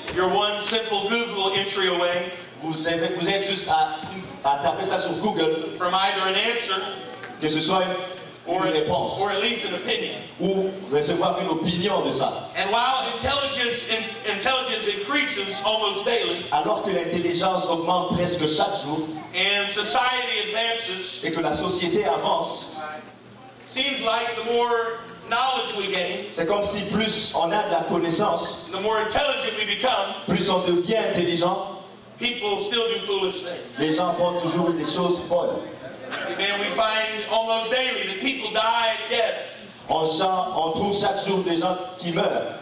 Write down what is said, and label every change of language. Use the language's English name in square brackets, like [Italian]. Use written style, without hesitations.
[English] you're one simple Google entry away. [French] Vous êtes juste à taper ça sur Google. [English] From either an answer, [French] que ce soit [English] or at least an opinion. [French] Ou recevoir une opinion de ça. [English] And while intelligence increases almost daily, [French] alors que l'intelligence augmente presque chaque jour, [English] and society advances, [French] et que la société avance, [English] seems like the more knowledge we gain, [French] c'est comme si plus on a de la connaissance, [English] the more intelligent we become, [French] plus on devient intelligent, [English] people still do foolish things. [French] Les gens font toujours des choses folles. [English] And we find almost daily that people die and death. [French] On trouve chaque jour des gens qui meurent.